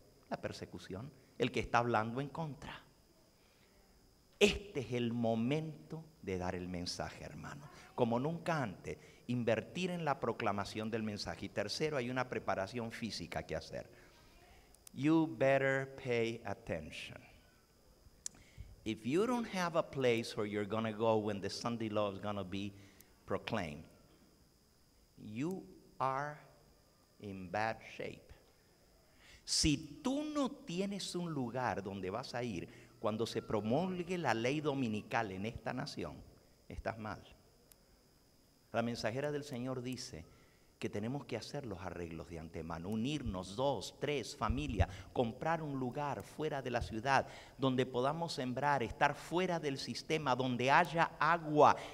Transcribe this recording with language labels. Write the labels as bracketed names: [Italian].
[Spanish] La persecución, el que está hablando en contra. Este es el momento de dar el mensaje, hermano. Como nunca antes, invertir en la proclamación del mensaje. Y tercero, hay una preparación física que hacer. [English] You better pay attention. If you don't have a place where you're going to go when the Sunday law is going to be proclaimed, you are in bad shape. [Spanish] Si tú no tienes un lugar donde vas a ir cuando se promulgue la ley dominical en esta nación, estás mal. La mensajera del Señor dice que tenemos que hacer los arreglos de antemano, unirnos dos, tres, familia, comprar un lugar fuera de la ciudad donde podamos sembrar, estar fuera del sistema, donde haya agua.